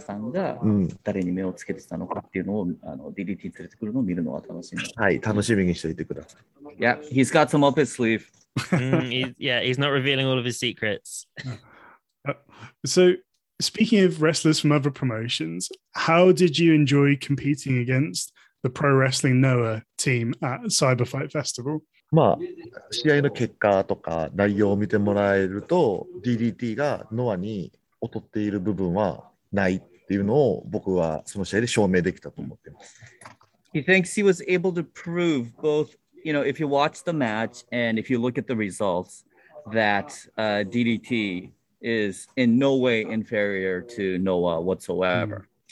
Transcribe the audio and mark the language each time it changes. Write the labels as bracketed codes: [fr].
[ja] さんが誰に目をつけてたのかっていうのを、DDT に連れてくるのを見るのは楽しみ。はい、楽しみにしておいてください。 [en] Yeah, he's got some up his sleeve. yeah, he's not revealing all of his secrets. So... Speaking of wrestlers from other promotions, how did you enjoy competing against the Pro Wrestling NOAH team at Cyber Fight Festival? [ja] まあ、試合の結果とか内容を見てもらえると、DDT がノアに劣っている部分はないっていうのを僕はその試合で証明できたと思っています。 [en] He thinks he was able to prove both, you know, if you watch the match and if you look at the results, that DDT... is in no way inferior to NOAH whatsoever.